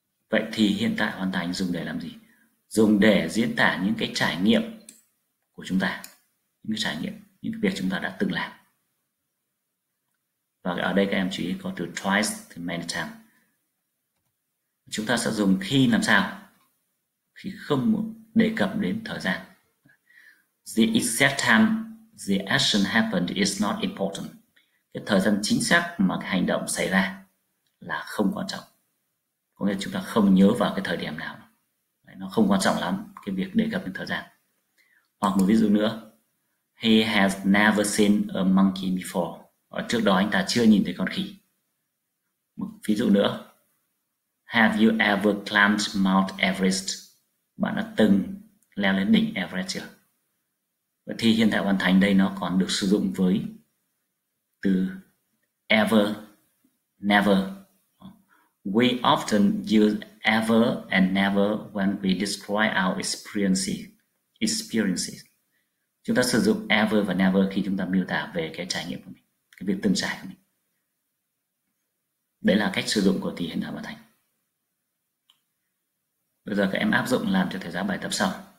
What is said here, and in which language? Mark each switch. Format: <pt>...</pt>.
<vi>Vậy thì hiện tại hoàn thành dùng để làm gì? Dùng để diễn tả những cái trải nghiệm của chúng ta, những cái trải nghiệm, những cái việc chúng ta đã từng làm. Và ở đây các em chú ý có từ twice, từ many times. Chúng ta sẽ dùng khi làm sao? Khi không đề cập đến thời gian.</vi> <en>The exact time the action happened is not important.</en> <vi>Cái thời gian chính xác mà cái hành động xảy ra là không quan trọng. Có nghĩa là chúng ta không nhớ vào cái thời điểm nào. Đấy, nó không quan trọng lắm, cái việc đề cập đến thời gian. Hoặc một ví dụ nữa.</vi> <en>He has never seen a monkey before.</en> <vi>Ở trước đó anh ta chưa nhìn thấy con khỉ. Một ví dụ nữa.</vi> <en>Have you ever climbed Mount Everest?</en> <vi>Bạn đã từng leo lên đỉnh Everest chưa? Vậy thì hiện tại hoàn thành đây nó còn được sử dụng với từ ever, never.</vi> <en>We often use ever and never when we describe our experiences.</en> <vi>Chúng ta sử dụng ever và never khi chúng ta miêu tả về cái trải nghiệm của mình, cái việc từng trải của mình. Đấy là cách sử dụng của thì hiện tại bảo thành. Bây giờ các em áp dụng làm cho thầy giáo bài tập sau.</vi>